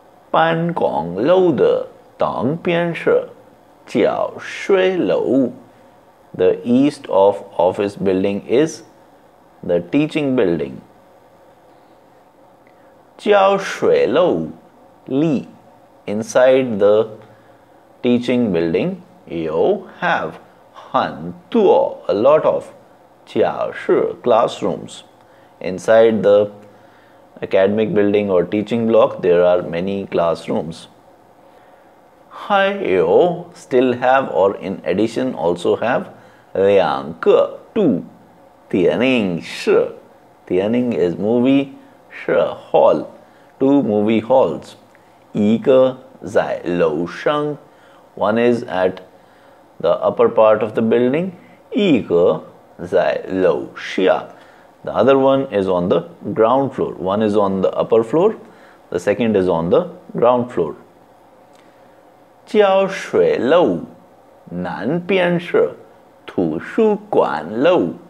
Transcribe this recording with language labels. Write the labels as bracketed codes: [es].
[zh] 办公楼的东边是教学楼。 [en] The east of office building is the teaching building. [zh] 教学楼里， [en] inside the teaching building, you have [zh] 很多 [en] a lot of 教室 classrooms inside the academic building or teaching block, there are many classrooms. Hi, you still have or in addition also have [zh] 两个 [en] two 电影室 电影 is movie 是 hall two movie halls [zh] 一个在楼上 [en] one is at the upper part of the building [zh] 一个在楼下 [en] The other one is on the ground floor. One is on the upper floor, the second is on the ground floor. [zh] 教学楼南边是图书馆楼。